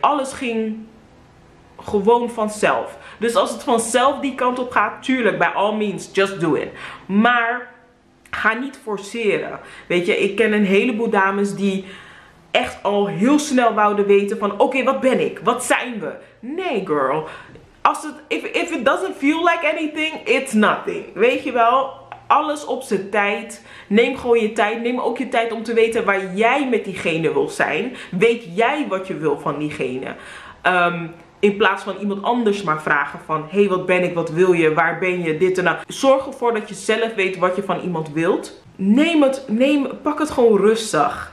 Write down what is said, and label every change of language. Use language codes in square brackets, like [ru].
[nl] Alles ging gewoon vanzelf. Dus als het vanzelf die kant op gaat, tuurlijk, [en] by all means, just do it. [nl] Maar ga niet forceren. Weet je, ik ken een heleboel dames die echt al heel snel wouden weten van, oké, wat ben ik? Wat zijn we? Nee, girl. Als het, [en] if it doesn't feel like anything, it's nothing. [nl] Weet je wel? Alles op zijn tijd. Neem gewoon je tijd. Neem ook je tijd om te weten waar jij met diegene wil zijn. Weet jij wat je wil van diegene? In plaats van iemand anders maar vragen van, hey, wat ben ik? Wat wil je? Waar ben je? Dit en dat. Zorg ervoor dat je zelf weet wat je van iemand wilt. Pak het gewoon rustig.